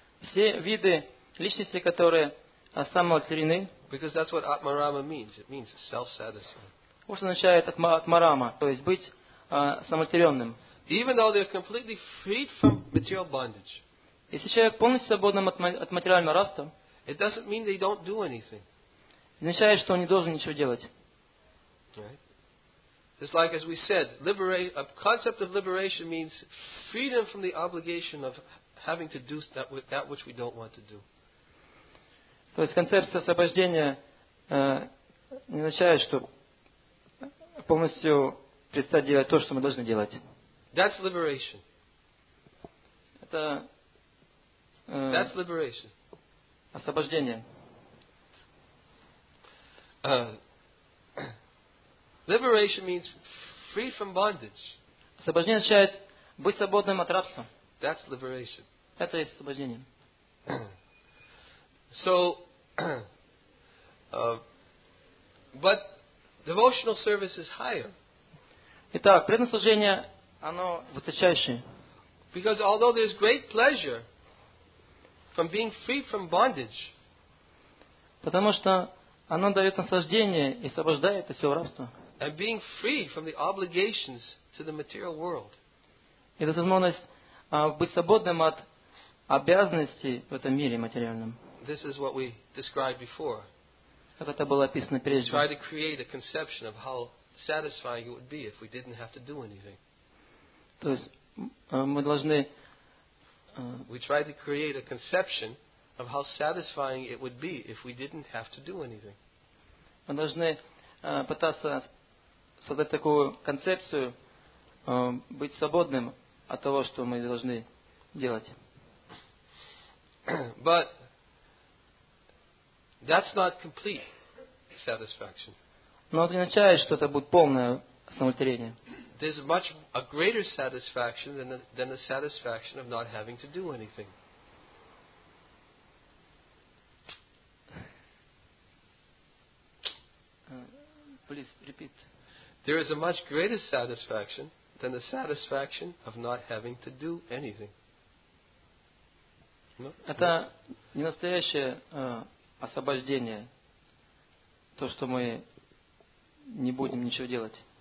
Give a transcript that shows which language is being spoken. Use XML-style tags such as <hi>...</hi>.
<ru>Все виды личности, которые самоутверждены.</ru> <en>Because that's what Atmarama means. It means self-satisfied.</en> <ru>Что означает Атмарама, то есть быть самоутверждённым.</ru> <en>Even though they're completely freed from material bondage.</en> <ru>Если человек полностью свободен от материального рабства.</ru> <en>It doesn't mean they don't do anything.</en> <ru>Означает, что он не должен ничего делать.</ru> <en>Right. It's like as we said, a concept of liberation means freedom from the obligation of having to do that which we don't want to do.</en> <ru>То есть концепция освобождения не означает, что полностью перестать делать то, что мы должны делать.</ru> <en>That's liberation.</en> <ru>Это</ru> <en>That's liberation.</en> <ru>Освобождение.</ru> <en>Liberation means free from bondage.</en> <ru>Освобождение означает быть свободным от рабства.</ru> <en>That's liberation.</en> <ru>Это и освобождение.</ru> <en>So, but devotional service is higher.</en> <ru>Итак, преданное служение, оно высочайшее.</ru> <en>Because although there's great pleasure from being free from bondage,</en> <ru>потому что оно дает наслаждение и освобождает от всего рабства.</ru> <en>And being free from the obligations to the material world.</en> <ru>И это возможность быть свободным от обязанностей в этом мире материальном.</ru> <en>This is what we described before.</en> <ru>Как это было описано прежде.</ru> <en>Try to create a conception of how satisfying it would be if we didn't have to do anything.</en> <ru>То есть мы должны.</ru> <en>We try to create a conception of how satisfying it would be if we didn't have to do anything.</en> <ru>Мы должны пытаться создать такую концепцию быть свободным от того, что мы должны делать.</ru> <en>But that's not complete satisfaction.</en> <ru>Но это не означает, что это будет полное самоутверждение.</ru> <en>There's much a greater satisfaction than the satisfaction of not having to do anything. Please repeat. There is a much greater satisfaction than the satisfaction of not having to do anything.</en> <ru>Это не настоящее освобождение, то, что мы не будем ничего делать.</ru>